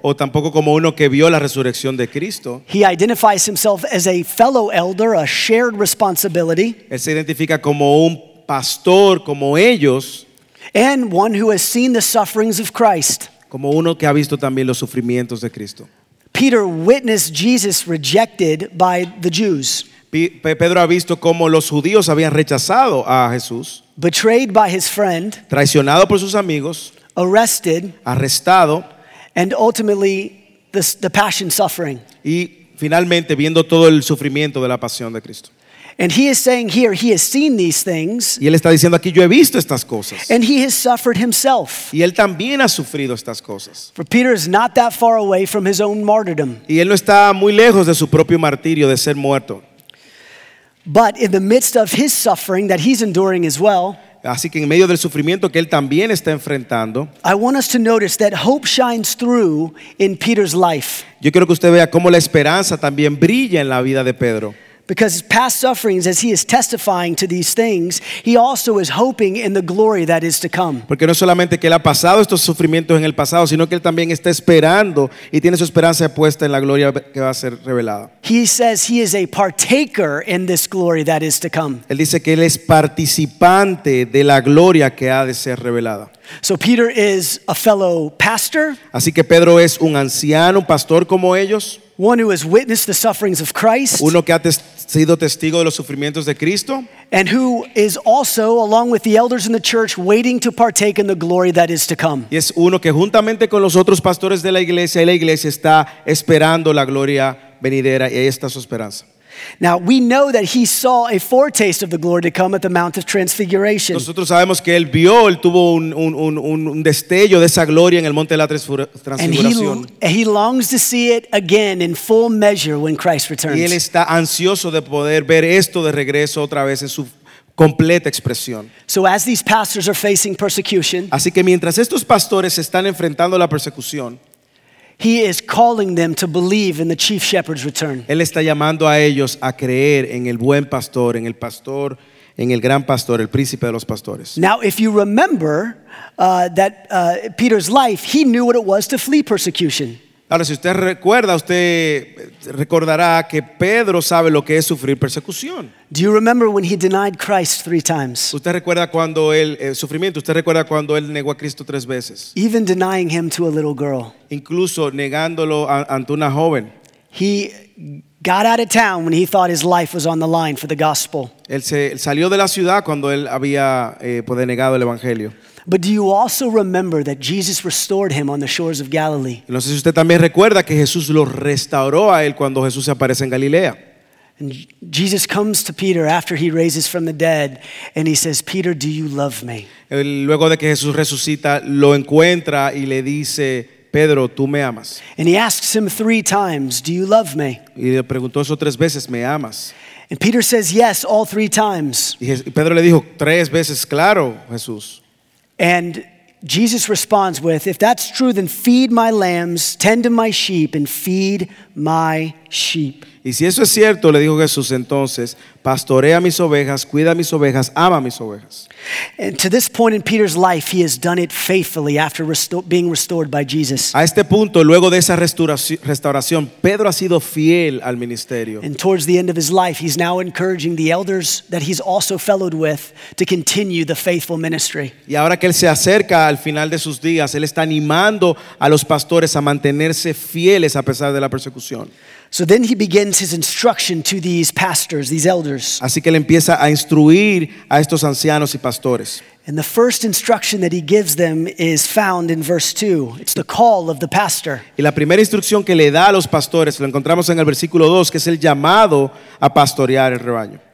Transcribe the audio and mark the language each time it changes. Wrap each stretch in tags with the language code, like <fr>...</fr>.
<es>O tampoco como uno que vio la resurrección de Cristo.</es> <en>He identifies himself as a fellow elder, a shared responsibility.</en> <es>Él se identifica como un pastor, como ellos.</es> <en>And one who has seen the sufferings of Christ.</en> <es>Como uno que ha visto también los sufrimientos de Cristo.</es> <en>Peter witnessed Jesus rejected by the Jews.</en> <es>Pedro ha visto cómo los judíos habían rechazado a Jesús.</es> <en>Betrayed by his friend.</en> <es>Traicionado por sus amigos. Arrestado,</es> <en>and ultimately the passion suffering.</en> <es>Y finalmente viendo todo el sufrimiento de la pasión de Cristo.</es> <en>And he is saying here he has seen these things.</en> <es>Y él está diciendo aquí yo he visto estas cosas.</es> <en>And he has suffered himself.</en> <es>Y él también ha sufrido estas cosas.</es> <en>For Peter is not that far away from his own martyrdom.</en> <es>Y él no está muy lejos de su propio martirio de ser muerto.</es> <en>But in the midst of his suffering that he's enduring as well.</en> <es>Así que en medio del sufrimiento que él también está enfrentando,</es> <en>I want us to notice that hope shines through in Peter's life.</en> <es>Yo quiero que usted vea cómo la esperanza también brilla en la vida de Pedro.</es> <en>Because past sufferings, as he is testifying to these things, he also is hoping in the glory that is to come.</en> <es>Porque no solamente que él ha pasado estos sufrimientos en el pasado, sino que él también está esperando y tiene su esperanza puesta en la gloria que va a ser revelada.</es> <en>He says he is a partaker in this glory that is to come.</en> <es>Él dice que él es participante de la gloria que ha de ser revelada.</es> <en>So Peter is a fellow pastor.</en> <es>Así que Pedro es un anciano, un pastor como ellos.</es> <en>One who has witnessed the sufferings of Christ.</en> <es>Uno que ha sido testigo de los sufrimientos de Cristo.</es> <en>And who is also, along with the elders in the church, waiting to partake in the glory that is to come.</en> <es>Y es uno que juntamente con los otros pastores de la iglesia y la iglesia está esperando la gloria venidera y ahí está su esperanza.</es> <en>Now we know that he saw a foretaste of the glory to come at the Mount of Transfiguration.</en> <es>Nosotros sabemos que él vio, él tuvo un destello de esa gloria en el Monte de la Transfiguración.</es> <en>And he longs to see it again in full measure when Christ returns.</en> <es>Y él está ansioso de poder ver esto de regreso otra vez en su completa expresión.</es> <en>So as these pastors are facing persecution,</en> <es>así que mientras estos pastores están enfrentando la persecución,</es> <en>he is calling them to believe in the chief shepherd's return.</en> <es>Él está llamando a ellos a creer en el buen pastor, en el pastor, en el gran pastor, el príncipe de los pastores.</es> <en>Now, if you remember that Peter's life, he knew what it was to flee persecution.</en> <es>Ahora, si usted recuerda, usted recordará que Pedro sabe lo que es sufrir persecución.</es> <en>Do you remember when he denied Christ 3 times?</en> <es>Usted recuerda cuando él, sufrimiento, usted recuerda cuando él negó a Cristo 3 veces.</es> <en>Even denying him to a little girl.</en> <es>Incluso negándolo ante una joven.</es> <en>He got out of town when he thought his life was on the line for the gospel.</en> <es>Él salió de la ciudad cuando él había denegado el evangelio.</es> <en>But do you also remember that Jesus restored him on the shores of Galilee?</en> <es>No sé si usted también recuerda que Jesús lo restauró a él cuando Jesús se aparece en Galilea.</es> <en>And Jesus comes to Peter after he raises from the dead, and he says, "Peter, do you love me?"</en> <es>Luego de que Jesús resucita, lo encuentra y le dice, Pedro, tú me amas.</es> <en>And he asks him three times, "Do you love me?"</en> <es>Y le preguntó eso tres veces, ¿me amas?</es> <en>And Peter says yes all three times.</en> <es>Y Pedro le dijo tres veces, claro, Jesús.</es> <en>And Jesus responds with, "If that's true, then feed my lambs, tend to my sheep, and feed my sheep."</en> <es>Y si eso es cierto, le dijo Jesús, entonces, pastorea mis ovejas, cuida mis ovejas, ama mis ovejas.</es> <en>And to this point in Peter's life, he has done it faithfully after being restored by Jesus.</en> <es>A este punto, luego de esa restauración, Pedro ha sido fiel al ministerio.</es> <en>And towards the end of his life, he's now encouraging the elders that he's also fellowed with to continue the faithful ministry.</en> <es>Y ahora que él se acerca al final de sus días, él está animando a los pastores a mantenerse fieles a pesar de la persecución.</es> <en>So then he begins his instruction to these pastors, these elders.</en> <es>Así que él empieza a instruir a estos ancianos y pastores.</es> <en>And the first instruction that he gives them is found in verse 2. It's the call of the pastor.</en> <es>Y la primera instrucción que le da a los pastores lo encontramos en el versículo 2, que es el llamado a pastorear el rebaño.</es>